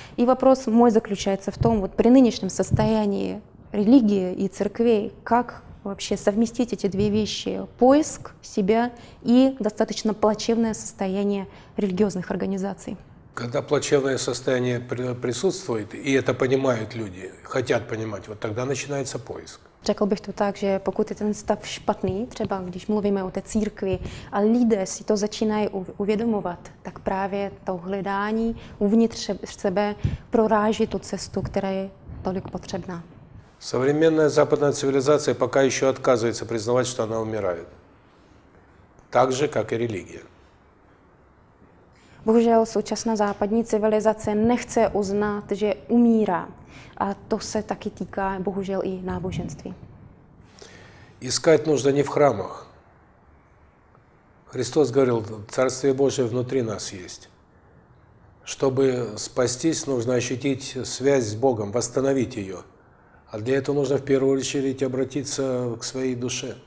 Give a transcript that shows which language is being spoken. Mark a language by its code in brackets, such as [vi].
[ru] И вопрос мой заключается в том, вот при нынешнем состоянии религии и церквей, как вообще совместить эти две вещи, поиск себя и достаточно плачевное состояние религиозных организаций? Когда плачевное состояние присутствует, и это понимают люди, хотят понимать, вот тогда начинается поиск. [cs] Řekl bych to tak, že pokud je ten stav špatný, třeba když mluvíme o té církvi a lidé si to začínají uvědomovat, tak právě to hledání uvnitř sebe proráží tu cestu, která je tolik potřebná. [ru] Современная западная цивилизация пока еще отказывается признавать, что она умирает. Так же, как и религия. [cs] Bohužel současná západní civilizace nechce uznat, že umírá. A to se taky týká bohužel i náboženství. [ru] Искать нужно не в храмах. Христос говорил, Царствие Божие внутри нас есть. Чтобы спастись, нужно ощутить связь с Богом, восстановить ее. A для этого нужно в первую очередь обратиться к своей душе.